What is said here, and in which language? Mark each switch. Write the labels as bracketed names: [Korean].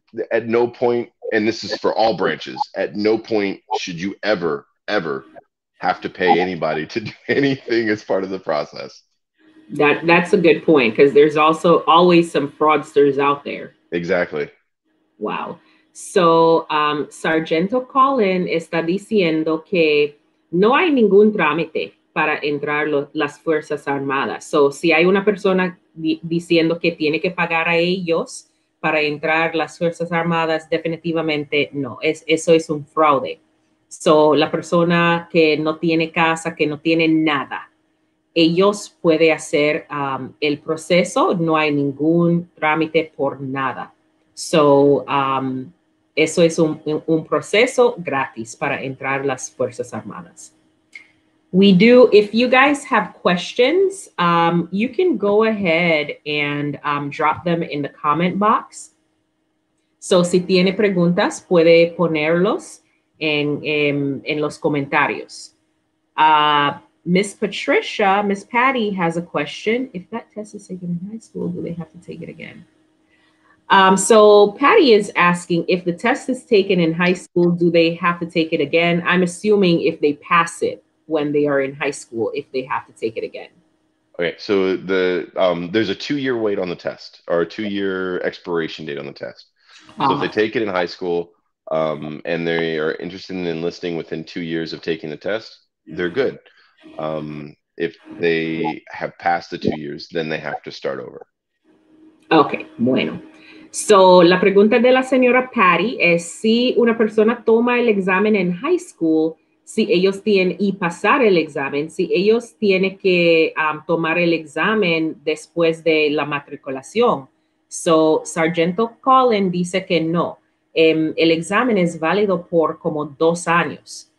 [English] At no point, and this is for all branches, at no point should you ever, ever have to pay anybody to do anything as part of the process. That's a good point, because there's also always some fraudsters out there. Exactly. Wow. [Spanish] So, Sargento Colin está diciendo que no hay ningún trámite para entrar las Fuerzas Armadas. So, si hay una persona diciendo que tiene que pagar a ellos para entrar las Fuerzas Armadas, definitivamente no. Eso es un fraude. So, la persona que no tiene casa, que no tiene nada, ellos pueden hacer el proceso. No hay ningún trámite por nada. So, eso es un proceso gratis para entrar las Fuerzas Armadas. [English] We do, if you guys have questions, you can go ahead and drop them in the comment box. [Spanish] So, si tiene preguntas, puede ponerlos en los comentarios. [English] Miss Patty has a question. If that test is taken in high school, do they have to take it again? So Patty is asking, if the test is taken in high school, do they have to take it again? I'm assuming if they pass it when they are in high school, if they have to take it again. Okay, so there's a two-year wait on the test, or a two-year expiration date on the test. So if they take it in high school and they are interested in enlisting within 2 years of taking the test, they're good. If they have passed the 2 years, then they have to start over. [Spanish] Okay, bueno. So, la pregunta de la señora Patty es si una persona toma el examen en high school, si ellos tienen y pasar el examen, si ellos tienen que tomar el examen después de la matriculación. So, Sargento Colin dice que no. El examen es válido por como 2 años.